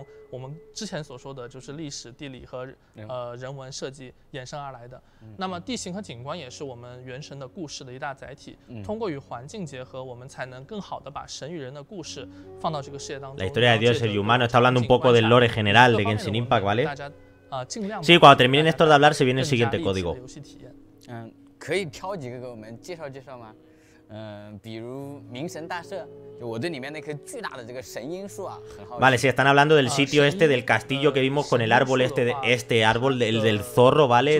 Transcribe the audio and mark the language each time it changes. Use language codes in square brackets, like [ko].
[zh] 我们之前所说的就是历史、地理和人文设计衍生而来的。那么地形和景观也是我们原神的故事的一大载体。通过与环境结合，我们才能更好的把神与人的故事放到这个世界当中。 [es] La historia de Dios y el humano está hablando un poco del lore general de Genshin Impact, ¿vale? [zh] 大家尽量。 [es] Sí, cuando terminen esto de hablar, se viene el siguiente código. [zh] 可以挑几个给我们介绍介绍吗？比如明神大社，就我对里面那棵巨大的这个神鹰树啊，很好。 [es] Vale, sí, están hablando del sitio este, del castillo que vimos con el árbol este, este árbol del, del zorro, ¿vale?